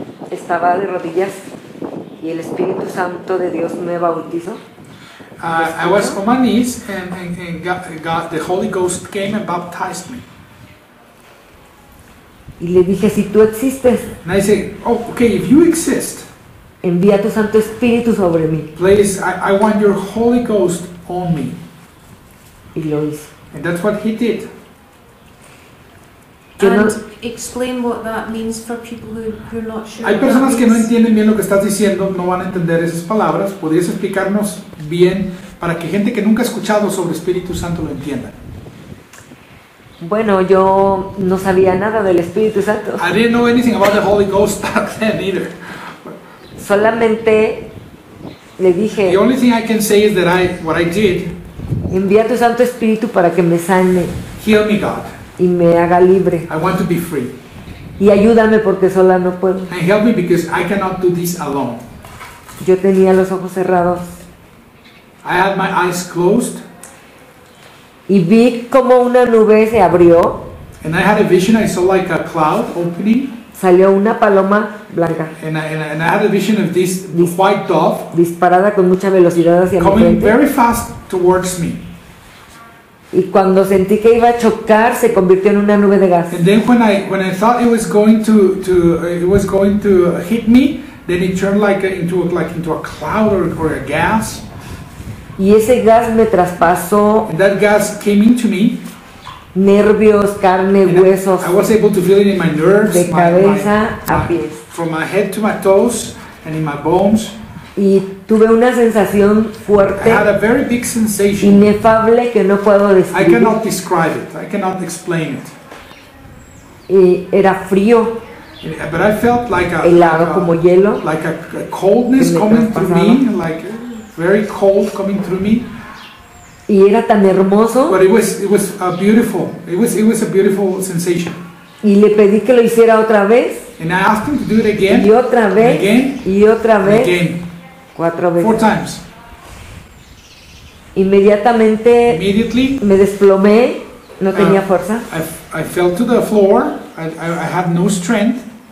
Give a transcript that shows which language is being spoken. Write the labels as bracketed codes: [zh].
[es] Estaba de rodillas y el Espíritu Santo de Dios me bautizó. [en] I was on my knees and God, the Holy Ghost came and baptized me. [es] Y le dije, si tú existes. [en] And I said, oh, okay, if you exist. [es] Envía tu Santo Espíritu sobre mí. [en] Please, I want your Holy Ghost on me. [es] Y lo hizo. [en] And that's what he did. And explain what that means for people who are not sure. [es] Hay personas que no entienden bien lo que estás diciendo, no van a entender esas palabras. ¿Podrías explicarnos bien para que gente que nunca ha escuchado sobre Espíritu Santo lo entienda? Bueno, yo no sabía nada del Espíritu Santo. [en] I didn't know anything about the Holy Ghost back then either. [es] Solamente le dije, [en] the only thing I can say is that what I did, [es] envía tu Santo Espíritu para que me sane. [en] Heal me, God. [es] Y me haga libre. [en] I want to be free. [es] Y ayúdame porque sola no puedo. [en] And help me because I cannot do this alone. [es] Yo tenía los ojos cerrados. [en] I had my eyes closed. [es] Y vi como una nube se abrió. [en] And I had a vision, I saw like a cloud opening. [es] Salió una paloma blanca. [en] And I had a vision of this white dove. [es] Disparada con mucha velocidad hacia mi frente. [en] Coming very fast towards me. [es] Y cuando sentí que iba a chocar, se convirtió en una nube de gas. [en] And then when I thought it was going to hit me, then it turned into a cloud or a gas. [es] Y ese gas me traspasó. [en] And that gas came into me. [es] Nervios, carne, [en] and [es] huesos. [en] I was able to feel it in my nerves. [es] De cabeza a pies. [en] From my head to my toes and in my bones. [es] Y tuve una sensación fuerte. [en] I had a very big sensation. [es] Inefable que no puedo describir. [en] I cannot describe it. I cannot explain it. [es] Y era frío. [en] But I felt like a [es] helado como hielo. [en] Like a coldness coming through me, like very cold coming through me. [es] Y era tan hermoso. [en] But it was a beautiful. It was a beautiful sensation. [es] Y le pedí que lo hiciera otra vez. [en] And I asked him to do it again. [es] Y otra vez. [en] Again, [es] y otra vez. [en] Again. [es] Cuatro veces. [en] Four times. [es] Inmediatamente. [en] Immediately. [es] Me desplomé. No tenía fuerza. [en] I fell to the floor. I had no strength.